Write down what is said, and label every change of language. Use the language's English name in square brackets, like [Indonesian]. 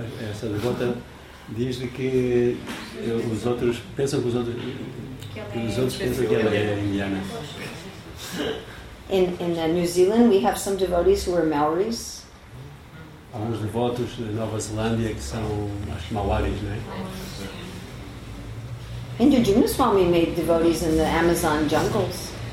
[Portuguese] Essa devota diz que os outros pensam que os outros pensam que ela é indiana. [English] In New Zealand, we have some devotees who are Maoris. [Portuguese] Alguns devotos da Nova Zelândia que são as Maoris, né? [English] Indrajuna Swami made devotees in the Amazon jungles.